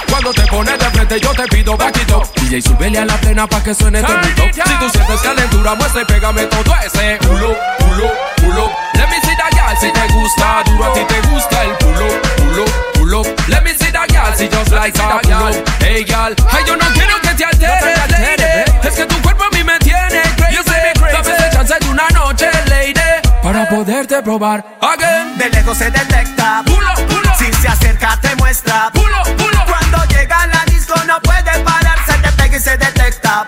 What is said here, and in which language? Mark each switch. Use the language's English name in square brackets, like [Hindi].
[Spanish] Cuando te pones de frente, yo te pido vaquito. DJ, súbele a la plena pa' que suene este mito. Si tú sientes calentura, muestra y pégame todo ese culo, culo, culo. [English] Let me see that girl, [Spanish] si te gusta duro, a ti te gusta el culo, culo, culo. [English] Let me see that girl, si just like that girl. Hey, girl, hey, [Spanish] yo no quiero que te alteres, lady. Es que tu cuerpo a mí me tiene crazy. Dame ese chance de una noche, lady. Para poderte probar again. De lejos se detecta. Culo, culo. Si se acerca te muestra. Culo, culo. Cuando llega a la disco no puede pararse. Te pega y se detecta.